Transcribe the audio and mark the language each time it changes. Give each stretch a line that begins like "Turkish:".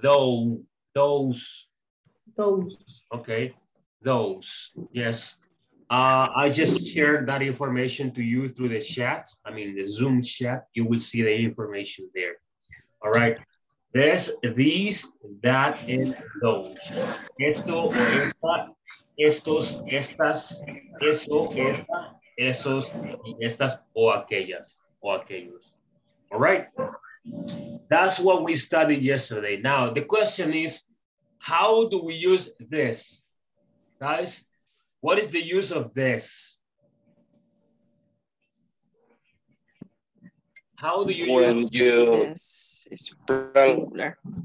English: those. Okay, those. Yes. I just shared that information to you through the chat. I mean, the Zoom chat. You will see the information there. All right. There's these, that, and those.
Spanish: Esto, esta, estos, estas, eso, esa, esos, y estas, o aquellas, o aquellos.
English: All right? That's what we studied yesterday. Now, the question is, how do we use this? Guys, what is the use of this? How do you when use you, this? It's singular.